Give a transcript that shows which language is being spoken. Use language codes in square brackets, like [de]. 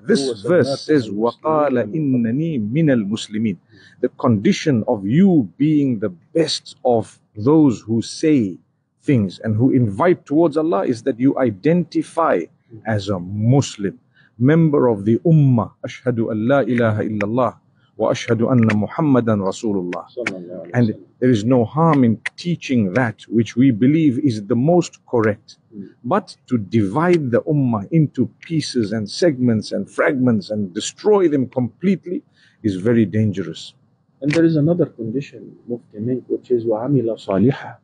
[en] This verse says, [ar] وَقَالَ إِنَّنِي مِنَ الْمُسْلِمِينَ. [en] The condition of you being the best of those who say things and who invite towards Allah is that you identify as a Muslim, member of the Ummah, [ar] أَشْهَدُ أَن لَا إِلَهَ إِلَّا اللَّهِ وأشهد أن محمدا رسول الله. [en] And there is no harm in teaching that which we believe is the most correct. But to divide the ummah into pieces and segments and fragments and destroy them completely is very dangerous. And there is another condition, which is [ar] وعمل صالحة.